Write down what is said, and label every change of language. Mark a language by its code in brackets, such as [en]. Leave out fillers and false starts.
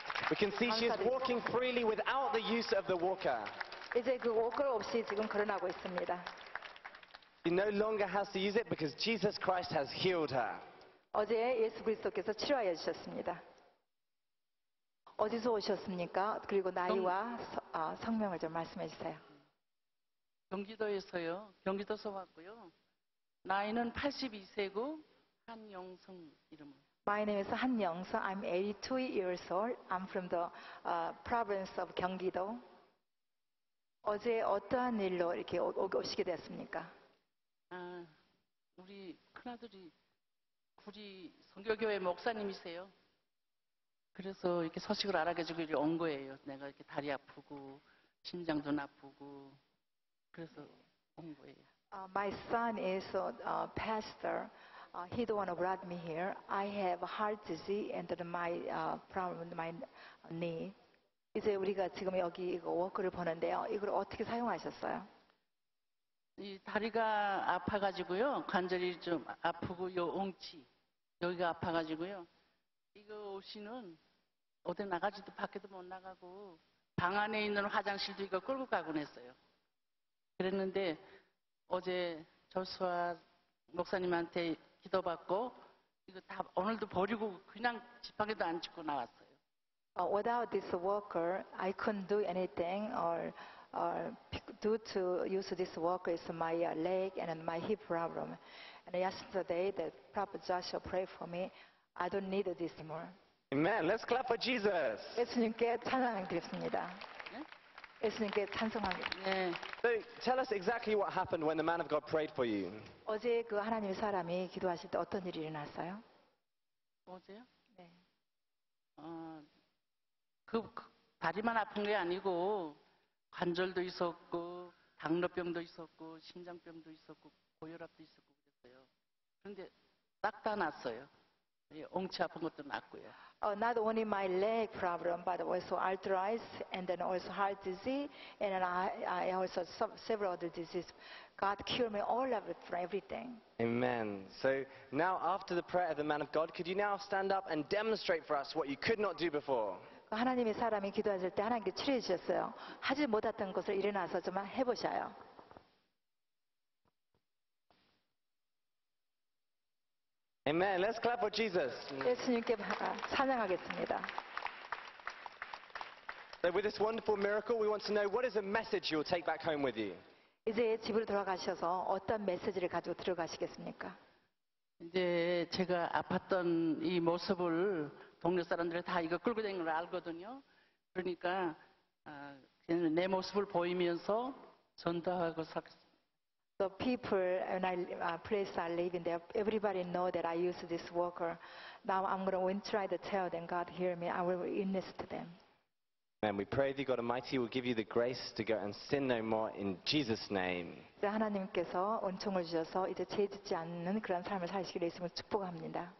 [en] We can see she is walking freely without the use of the walker. [ko] 이제 그 워커 없이 지금 걸어나고 있습니다. [en] She no longer has to use it because Jesus Christ has healed her. [ko] 어제 예수 그리스도께서 치료하여 주셨습니다. 어디서 오셨습니까? 그리고 나이와 성명을 좀 말씀해 주세요. 경기도에서요. 경기도서 왔고요. 나이는 82세고 한영성 이름으로. [en] My name is Han Yong-seung. I'm 82 years old. I'm from the province of 경기도. [ko] 어제 어떠한 일로 이렇게 오시게 됐습니까? 아, 우리 큰아들이 구리 선교교회 목사님이세요. 그래서 이렇게 소식을 알아가지고 이렇게 온 거예요. 내가 이렇게 다리 아프고 심장도 나쁘고 그래서 온 거예요. [en] My son is a pastor. He's the one who brought me here. I have heart disease and my problem with my knee. [ko] 이제 우리가 지금 여기 이거 워커를 보는데요. 이걸 어떻게 사용하셨어요? 이 다리가 아파가지고요. 관절이 좀 아프고 요 엉치 여기가 아파가지고요. 이거 옷은 어디 나가지도 밖에도 못 나가고 방 안에 있는 화장실도 이거 끌고 가곤 했어요. 그랬는데 어제 조수아 목사님한테 기도받고 이거 다 오늘도 버리고 그냥 지팡이도 안 짚고 나왔어요. [en] Without this walker, I couldn't do anything or do to use this walker is my leg and my hip problem. And yesterday, the Prophet Joshua prayed for me. I don't need this anymore. Amen. Let's clap for Jesus. [ko] 예수님께 찬양을 드립니다. 예수님께 찬송합니다. [en] Tell us exactly what happened when the man of God prayed for you. [ko] 어제 그 하나님의 사람이 기도하실 때 어떤 일이 일어났어요? 어제요? 네. 그 다리만 아픈 게 아니고 관절도 있었고 당뇨병도 있었고 심장병도 있었고 고혈압도 있었고 그랬어요. 그런데 딱 다 났어요. 예, 엉치 아픈 것도 났고요. [en] Not only my leg problem, but also arthritis, and then also heart disease, and then I also several other diseases. God cured me all of it for everything. Amen. So now after the prayer of the man of God, could you now stand up and demonstrate for us what you could not do before? [ko] 하나님의 사람이 기도하실 때 하나님께 치료해 주셨어요. 하지 못했던 것을 일어나서 좀 해보셔요. [en] 아멘. Let's clap for Jesus. [ko] 예수님께 찬양하겠습니다. [en] So with this wonderful miracle, we want to know what is the message you'll take back home with you. [ko] 이제 집으로 돌아가셔서 어떤 메시지를 가지고 들어가시겠습니까? 이제 제가 아팠던 이 모습을 동료 사람들이 다 이거 끌고 다니는 걸 알거든요. 그러니까 내 모습을 보이면서 전도하고 살 [en] The people and I place I live in there, everybody know that I use this walker. Now I'm going to win, try to tell them, God hear me, I will witness to them. Amen. We pray that God Almighty will give you the grace to go and sin no more in Jesus' name. [ko] 이제 하나님께서 은총을 주셔서 이제 죄짓지 않는 그런 삶을 살시기를 예수님을 축복합니다.